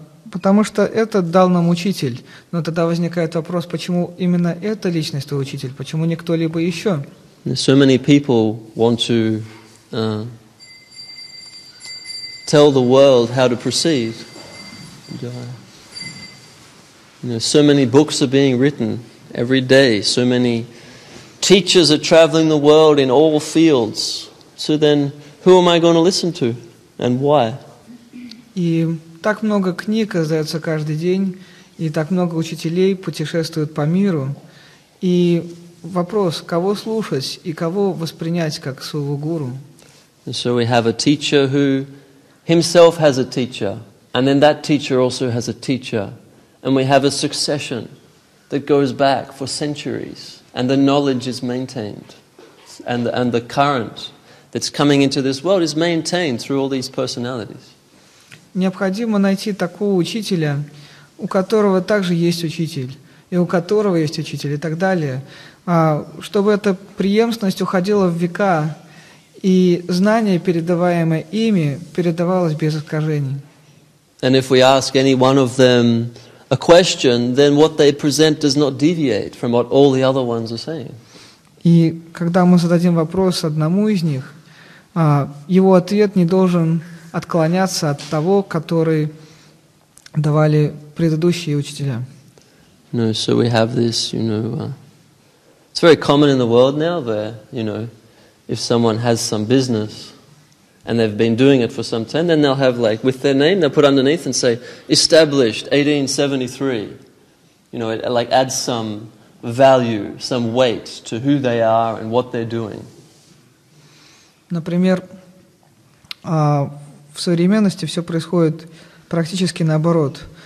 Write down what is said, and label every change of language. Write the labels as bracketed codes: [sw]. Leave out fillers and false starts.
[ru] Потому что этот дал нам учитель. Но тогда возникает вопрос, почему именно эта личность твой учитель? Почему не кто-либо еще? [en] So many people want to tell the world how to proceed. You know, so many books are being written every day. So many teachers are traveling the world in all fields. So then, who am I going to listen to and why? [ru] И так много книг издается каждый день, и так много учителей путешествуют по миру. И вопрос, кого слушать и кого воспринять как своего гуру? [en] And so we have a teacher who himself has a teacher, and then that teacher also has a teacher. And we have a succession that goes back for centuries, and the knowledge is maintained. And the current that's coming into this world is maintained through all these personalities. [ru] Необходимо найти такого учителя, у которого также есть учитель, и у которого есть учитель, и так далее, чтобы эта преемственность уходила в века, и знание, передаваемое ими, передавалось без искажений. [en] And if we ask any one of them a question, then what they present does not deviate from what all the other ones are saying. [ru] И когда мы зададим вопрос одному из них, его ответ не должен отклоняться от того, который давали предыдущие учителя. [en] No, so we have this, you know, it's very common in the world now where, you know, if someone has some business and they've been doing it for some time, then they'll have like, with their name, they'll put underneath and say, established 1873. You know, it like adds some value, some weight to who they are and what they're doing. [ru] Например, А в современности все происходит практически наоборот.